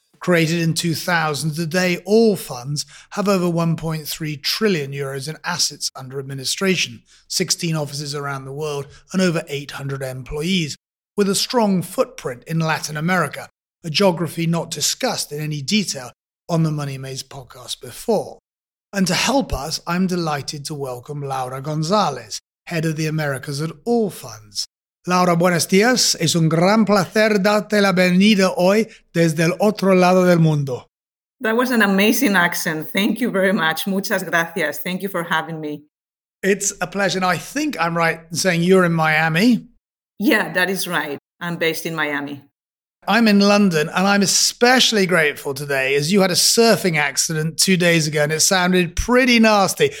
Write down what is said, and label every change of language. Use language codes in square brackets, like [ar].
[en] Created in 2000, today all funds have over 1.3 trillion euros in assets under administration, 16 offices around the world, and over 800 employees, with a strong footprint in Latin America, a geography not discussed in any detail on the Money Maze podcast before. And to help us, I'm delighted to welcome Laura González, head of the Americas at Allfunds. [es] Laura, buenos días. Es un gran placer darte la bienvenida hoy desde el otro lado del mundo. [en] That was an amazing accent. Thank you very much. [es] Muchas gracias. [en] Thank you for having me. It's a pleasure. I think I'm right in saying you're in Miami. Yeah, that is right. I'm based in Miami. I'm in London, and I'm especially grateful today as you had a surfing accident 2 days ago and it sounded pretty nasty.